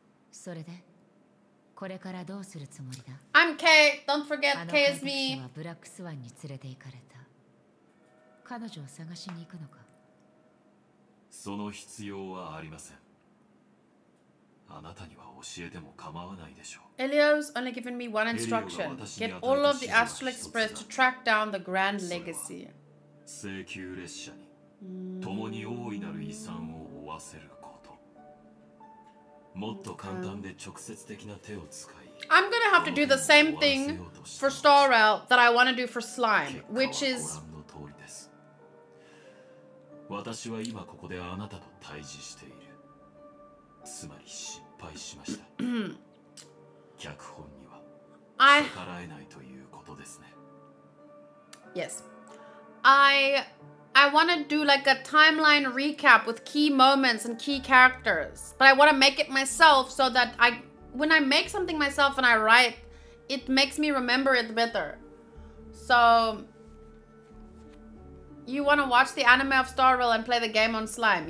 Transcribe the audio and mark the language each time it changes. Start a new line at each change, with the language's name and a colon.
Japanese: それで、これからどうするつもりだ。
English: I'm Kay. Don't forget Kay is me.
Japanese: あの怪物はブラックスワンに連れて行かれた。彼女を探しに行くのか。その必要はありません。あなたには教えても構わないでしょう。
English: Elio's only given me one instruction. Get all of the Astral Express to track down the Grand Legacy.
Japanese: 請求列車に共に大いなる遺産を負わせる。もっと簡単で直接的な手を使い、
English: I'm gonna have to do the same thing for Starrel that I wanna do for Slime, which is
Japanese: 結果はご覧の通りです。私は今ここであなたと対峙している。つまり失敗しました。脚本には逆らえないということですね。
English: Yes. I want to do like a timeline recap with key moments and key characters, but I want to make it myself so that I, when I make something myself and I write, it makes me remember it better. So, you want to watch the anime of Star Rail and play the game on Slime?